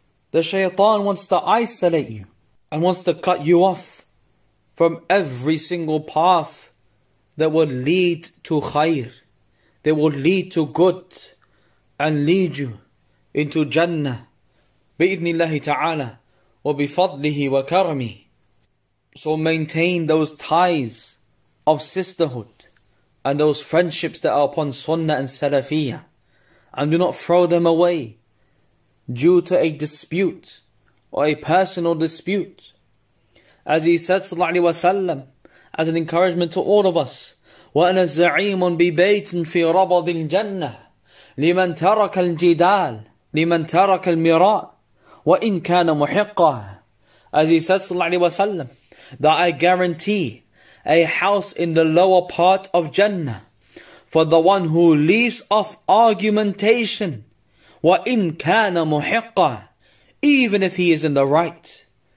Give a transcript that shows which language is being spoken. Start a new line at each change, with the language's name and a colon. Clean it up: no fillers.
English: The shaytan wants to isolate you and wants to cut you off from every single path that will lead to khair, that will lead to good, and lead you into Jannah, bi-idhnillahi ta'ala, wa bi-fadlihi wa karami. So maintain those ties of sisterhood and those friendships that are upon sunnah and salafiyah, and do not throw them away due to a dispute or a personal dispute. As he said, sallallahu alayhi wa sallam, as an encouragement to all of us,
Arabic: وَأَنَا الزَّعِيمٌ بِبَيْتٍ فِي رَبَضِ الْجَنَّةِ لِمَنْ تَرَكَ الْجِدَالِ لِمَنْ تَرَكَ الْمِرَاءِ وَإِنْ كَانَ مُحِقَّهِ.
English: As he said, sallallahu alayhi wa sallam, that I guarantee a house in the lower part of Jannah for the one who leaves off argumentation,
Arabic: وَإِنْ كَانَ مُحِقَّهِ,
English: even if he is in the right.